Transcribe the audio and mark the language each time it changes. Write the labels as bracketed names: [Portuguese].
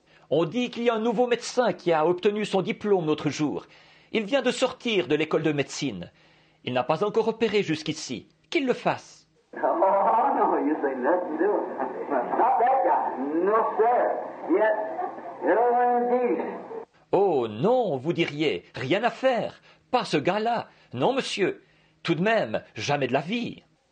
[French] On dit qu'il y a un nouveau médecin qui a obtenu son diplôme l'autre jour. Il vient de sortir de l'école de médecine. Il n'a pas encore opéré jusqu'ici. Qu'il le fasse. Oh non, vous dites, [English] let's do it. Not that guy. No, sir. Yes. No, indeed. [French] Oh non, vous diriez, rien à faire. Pas ce gars-là. Non, monsieur. Tout de même, jamais de la vie.